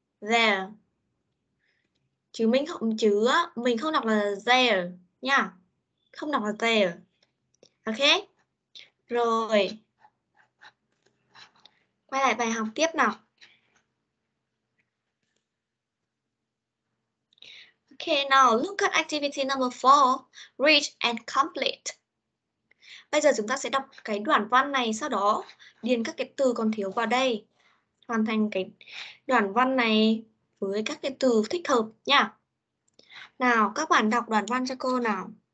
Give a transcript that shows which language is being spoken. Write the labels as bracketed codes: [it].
[en] There. [vi] Chứ mình không đọc là there nha. Không đọc là there. Ok. Rồi. Quay lại bài học tiếp nào. [en] Ok, now look at activity number 4, read and complete. [vi] Bây giờ chúng ta sẽ đọc cái đoạn văn này, sau đó điền các cái từ còn thiếu vào đây. Hoàn thành cái đoạn văn này với các cái từ thích hợp nha. Nào, các bạn đọc đoạn văn cho cô nào.